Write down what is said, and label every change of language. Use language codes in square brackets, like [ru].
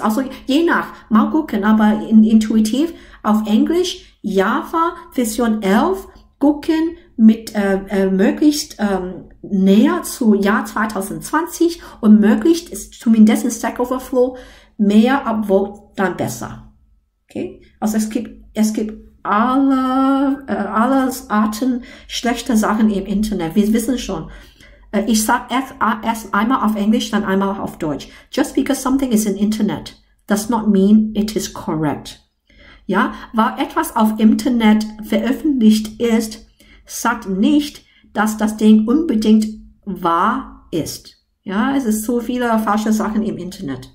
[de] Also je nach, mal gucken, aber intuitiv auf Englisch, Java, Version 11, gucken mit möglichst näher zu Jahr 2020 und möglichst ist zumindest in Stack Overflow mehr Upvote, dann besser. Okay? Also es gibt alle Arten schlechter Sachen im Internet. Wir wissen schon. Ich sag erst einmal auf Englisch, dann einmal auf Deutsch. [en] Just because something is in Internet does not mean it is correct. [de] Ja, weil etwas auf Internet veröffentlicht ist, sagt nicht, dass das Ding unbedingt wahr ist. Ja, es ist so viele falsche Sachen im Internet.